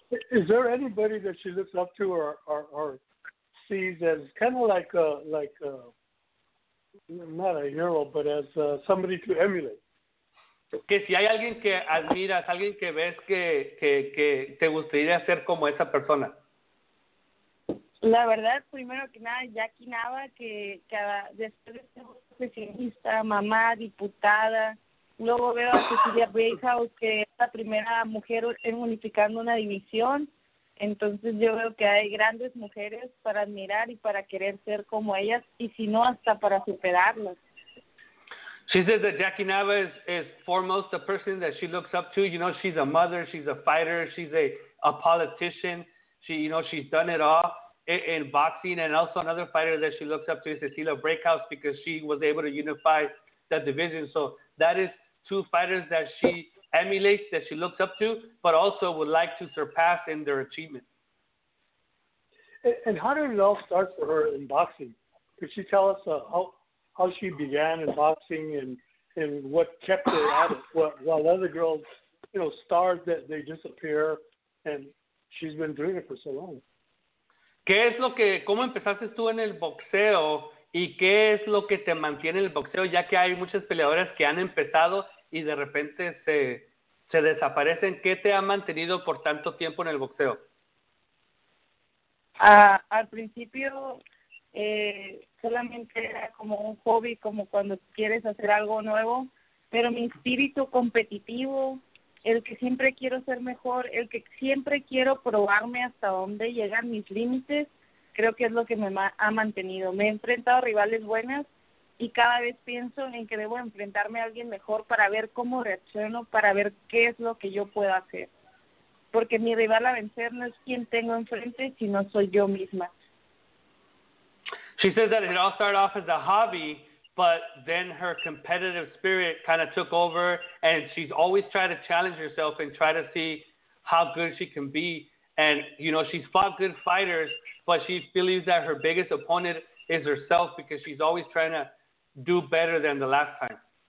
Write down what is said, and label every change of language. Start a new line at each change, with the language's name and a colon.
English: Is there anybody that she looks up to or sees as kind of like a, not a hero, but as somebody to emulate?
Spanish: Que si hay alguien que admiras, alguien que ves que te gustaría ser como esa persona. La verdad, primero que nada, Jackie Nava, que después de ser profesionista, mamá, diputada, luego veo a Cecilia Breakhouse, que es la primera mujer en unificando una división. Entonces yo veo que hay grandes mujeres para admirar y para querer ser como ellas, y si no, hasta para superarlas.
English: She says that Jackie Nava is foremost the person that she looks up to. You know, she's a mother, she's a fighter, she's a politician. She, you know, she's done it all in boxing. And also another fighter that she looks up to is Cecilia Breakhouse because she was able to unify that division. So that is two fighters that she emulates, that she looks up to, but also would like to surpass in their achievement. And how did it all start for her in boxing? Could she tell us how she began in boxing and what kept her at it, while other girls, you know, stars that they disappear, and she's been doing it for so long.
Spanish: ¿Qué es lo que, cómo empezaste tú en el boxeo y qué es lo que te mantiene en el boxeo, ya que hay muchas peleadoras que han empezado y de repente se desaparecen? ¿Qué te ha mantenido por tanto tiempo en el boxeo? Al principio, solamente era como un hobby, como cuando quieres hacer algo nuevo, pero mi espíritu competitivo, el que siempre quiero ser mejor, el que siempre quiero probarme hasta dónde llegan mis límites, creo que es lo que me ha mantenido. Me he enfrentado a rivales buenas y cada vez pienso en que debo enfrentarme a alguien mejor para ver cómo reacciono, para ver qué es lo que yo puedo hacer. Porque mi rival a vencer no es quien tengo enfrente, sino soy yo misma.
English: She says that it all started off as a hobby, but then her competitive spirit kind of took over, and she's always tried to challenge herself and try to see how good she can be. And, you know, she's fought good fighters, but she believes that her biggest opponent is herself because she's always trying to do better than the last time.